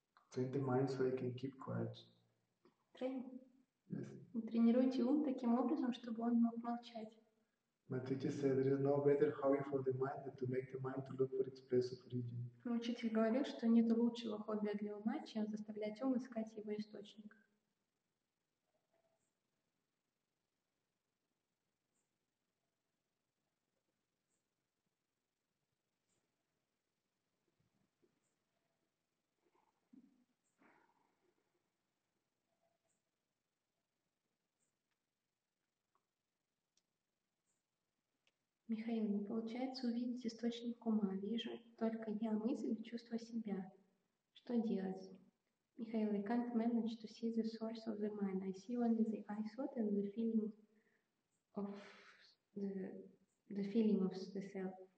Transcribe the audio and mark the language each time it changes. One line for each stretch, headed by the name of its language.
English: Train the mind so I can keep quiet. Train. Yes.
Russian: Тренируйте ум таким образом, чтобы он мог молчать.
English: My teacher said there is no better hobby for the mind than to make the mind to look for its place of origin.
Russian: Мой учитель говорил, что нет лучшего хобби для ума, чем заставлять ум искать его источник. Михаил, не получается увидеть источник ума. Вижу только я, мысль и чувство себя. Что делать?
English: Михаил, I can't manage to see the source of the mind. I see only the I thought and the feeling of the self.